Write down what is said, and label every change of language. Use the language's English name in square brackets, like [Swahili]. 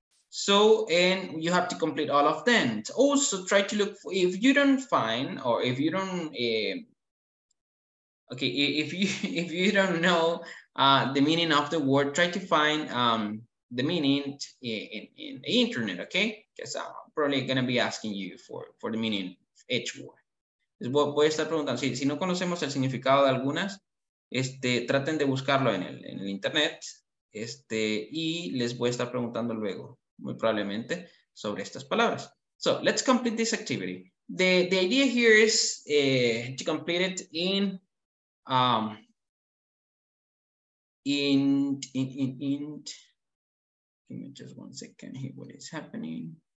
[English] So, and you have to complete all of them. So also try to look for, if you don't know the meaning of the word, try to find the meaning in the internet, okay? Because I'm probably gonna be asking you for the meaning of each word. [Spanish] Voy a estar preguntando, si no conocemos el significado de algunas, traten de buscarlo en el internet, y les voy a estar preguntando luego, muy probablemente, sobre estas palabras. [English] So, let's complete this activity. The idea here is to complete it in give me just 1 second here, what is happening?